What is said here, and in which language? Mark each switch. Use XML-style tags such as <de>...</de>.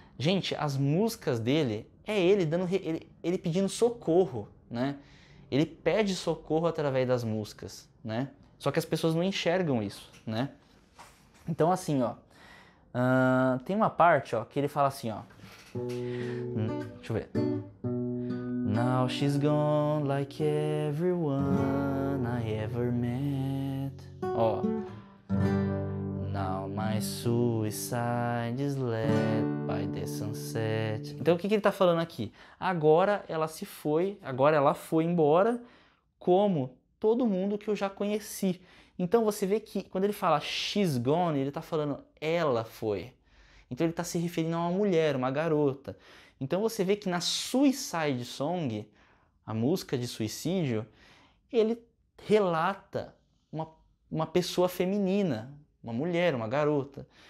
<pt>Gente, as músicas dele é ele dando ele pedindo socorro, né? Ele pede socorro através das músicas, né? Só que as pessoas não enxergam isso, né? Então assim, ó, tem uma parte, ó, que ele fala assim, ó. Deixa eu ver.</pt> <en>Now she's gone like everyone I ever met. Ó. Now my suicide is led by the sunset.</en> <pt>Então o que que ele tá falando aqui? Agora ela se foi, agora ela foi embora, como todo mundo que eu já conheci. Então você vê que quando ele fala</pt> <en>she's gone,</en> <pt>ele tá falando ela foi. Então ele está se referindo a uma mulher, uma garota. Então você vê que na Suicide Song, a música de suicídio, ele relata uma pessoa feminina, uma mulher, uma garota.</pt>